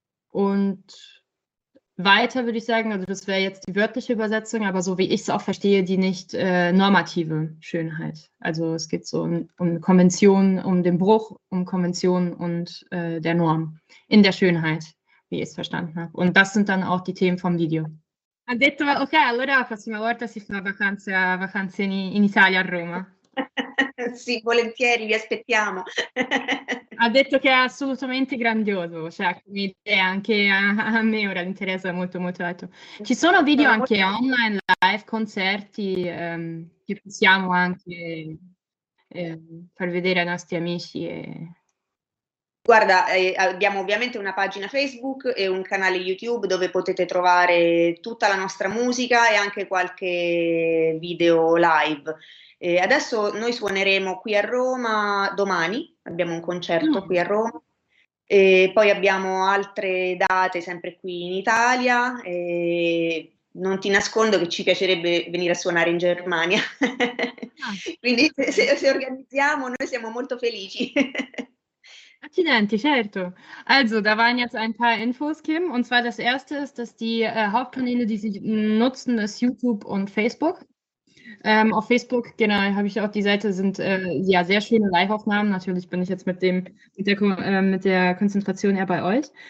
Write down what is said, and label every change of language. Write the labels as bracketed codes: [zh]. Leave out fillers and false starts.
[de] Und weiter würde ich sagen, also das wäre jetzt die wörtliche Übersetzung, aber so wie ich es auch verstehe, die nicht normative Schönheit. Also es geht so um Konventionen, um den Bruch, um Konventionen und der Norm in der Schönheit, wie ich es verstanden habe. Und das sind dann auch die Themen vom Video. [it] Ha detto, ok, allora la prossima volta si fa vacanze in Italia, a Roma. Sì, volentieri, vi aspettiamo. Ha detto che è assolutamente grandioso, cioè anche a me ora interessa molto molto alto. Ci sono video anche online, live, concerti, che possiamo anche far vedere ai nostri amici. E... Guarda, abbiamo ovviamente una pagina Facebook e un canale YouTube dove potete trovare tutta la nostra musica e anche qualche video live. E adesso noi suoneremo qui a Roma domani, abbiamo un concerto qui a Roma e poi abbiamo altre date sempre qui in Italia e non ti nascondo che ci piacerebbe venire a suonare in Germania, quindi se organizziamo noi siamo molto felici. Accidenti, certo. [de] Also, da waren jetzt ein paar Infos, Kim. Und zwar das erste ist, dass die Hauptkanäle, die sie nutzen, ist YouTube und Facebook. Auf Facebook, genau, habe ich auch die Seite, sind ja sehr schöne Live-Aufnahmen. Natürlich bin ich jetzt mit der Konzentration eher bei euch.